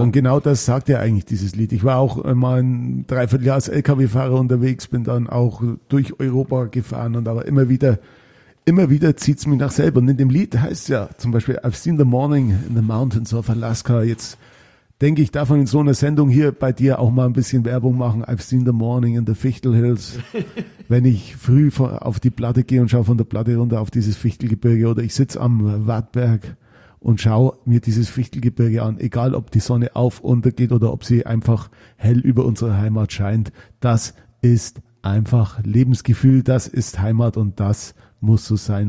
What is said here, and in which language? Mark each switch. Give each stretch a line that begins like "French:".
German: Und genau das sagt ja eigentlich dieses Lied. Ich war auch mal ein Dreivierteljahr als LKW-Fahrer unterwegs, bin dann auch durch Europa gefahren und aber immer wieder zieht es mich nach selber. Und in dem Lied heißt es ja zum Beispiel,
English: I've seen the morning in the mountains of Alaska.
German: Jetzt denke ich, darf man in so einer Sendung hier bei dir auch mal ein bisschen Werbung machen.
English: I've seen the morning in the Fichtel Hills.
German: Wenn ich früh auf die Platte gehe und schaue von der Platte runter auf dieses Fichtelgebirge oder ich sitze am Wartberg und schaue mir dieses Fichtelgebirge an, egal ob die Sonne auf, untergeht oder ob sie einfach hell über unsere Heimat scheint, das ist einfach Lebensgefühl, das ist Heimat und das muss so sein.